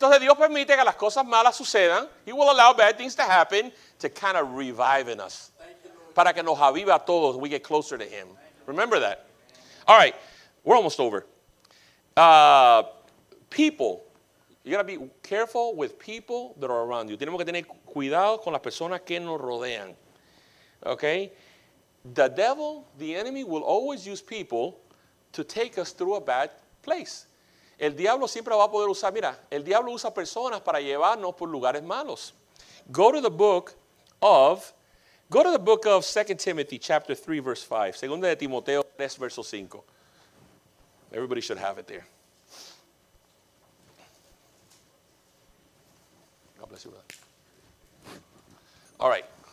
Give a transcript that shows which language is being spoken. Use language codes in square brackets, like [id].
[es] Entonces Dios permite que las cosas malas sucedan. [en] He will allow bad things to happen to kind of revive in us. [es] para que nos aviva a todos. [en] We get closer to him. Remember that. All right, we're almost over. People, you got to be careful with people that are around you. [es] Tenemos que tener cuidado con las personas que nos rodean. [en] Okay? The devil, the enemy, will always use people to take us through a bad place. [es] El diablo siempre va a poder usar, mira, el diablo usa personas para llevarnos por lugares malos. [en] Go to the book of 2 Timothy chapter 3, verse 5. [es] Segunda de Timoteo 3, verso 5. [en] Everybody should have it there. God bless you, brother. All right.